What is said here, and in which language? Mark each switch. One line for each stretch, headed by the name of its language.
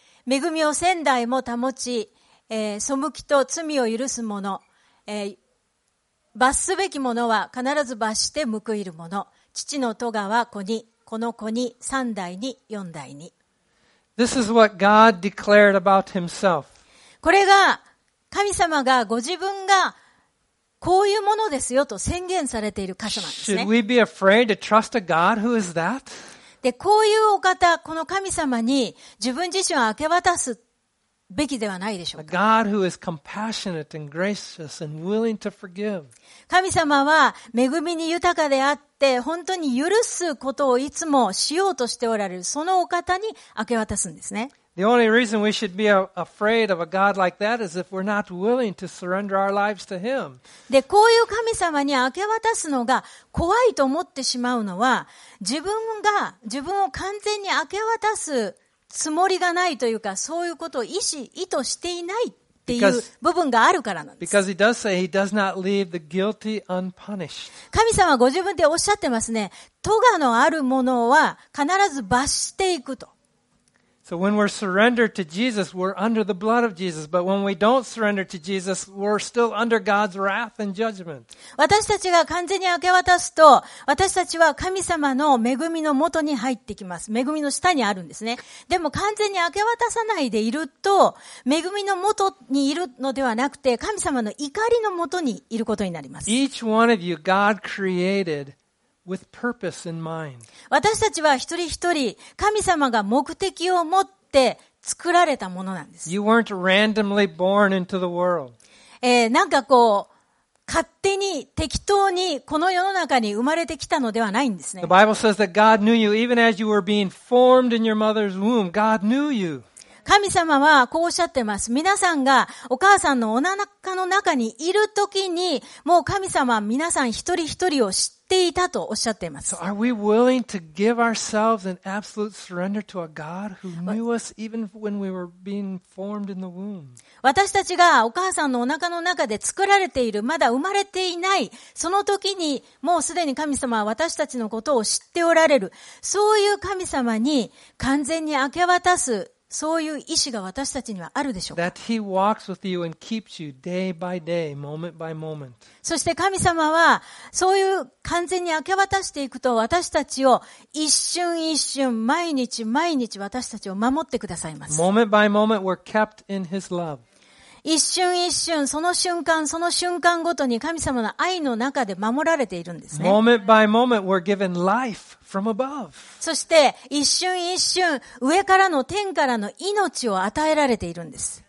Japanese: 恵みを千代も保ち、背きと罪を許す者、罰すべき者は必ず罰して報いる者、父の咎は子に、この子に、三代に、四代に。
English: This is what God declared about himself.
Japanese: これが神様がご自分がこういうものですよと宣言されている箇所なんですね。
English: Should we be afraid to trust a God who is that?
Japanese: でこういうお方、この神様に自分自身を明け渡すべきではないでしょうか。
English: God who is compassionate and gracious and willing to forgive.
Japanese: 神様は恵みに豊かであって本当に許すことをいつもしようとしておられる、そのお方に明け渡すんですね。
English: The only reason we should be afraid of a God like that is if we're not willing to surrender our lives to Him.
Japanese: で、こういう神様に明け渡すのが怖いと思ってしまうのは、自分を完全に明け渡すつもりがないというか、そういうことを意図していないっていう部分があるからなんです。
English: Because He does say He does not leave the guilty unpunished.
Japanese: 神様はご自分でおっしゃってますね。咎のあるものは必ず罰していくと。
English: So when we're surrendered to Jesus, we're under the blood of Jesus. But when we don't surrender to Jesus, we're still under God's wrath and judgment.
Japanese: 私たちが完全に明け渡すと、私たちは神様の恵みの元に入ってきます。恵みの下にあるんですね。でも完全に明け渡さないでいると、恵みの元にいるのではなくて、神様の怒りの元にいることになります。
English: Each one of you, God created. With purpose in mind.
Japanese: 私たちは一人一人神様が目的を持って作られたものなんです。
English: You weren't randomly born into the world.
Japanese: なんかこう勝手に適当にこの世の中に生まれてきたのではないんですね。
English: The Bible says that God knew you even as you were being formed in your mother's womb. God knew you.
Japanese: 神様はこうおっしゃってます。皆さんがお母さんのお腹の中にいるときにもう神様は皆さん一人一人を知ってていたとおっしゃっています。
English: So、are we willing to give ourselves an absolute surrender to a God who knew us even when we were being formed in the womb?
Japanese: 私たちがお母さんのお腹の中で作られている、まだ生まれていない、その時にもうすでに神様は私たちのことを知っておられる。そういう神様に完全に明け渡す、そういう意志が私たちにはあるでしょうか。
English: That he walks with you and keeps you day by day, moment by moment.
Japanese: そして神様はそういう完全に明け渡していくと私たちを一瞬一瞬毎日毎日私たちを守ってくださいます。
English: Moment by moment, we're kept in his love.
Japanese: 一瞬一瞬その瞬間その瞬間ごとに神様の愛の中で守られているんですね。
English: Moment by moment, we're given life. From above.
Japanese: そして一瞬一瞬上からの天からの命を与えられているんです。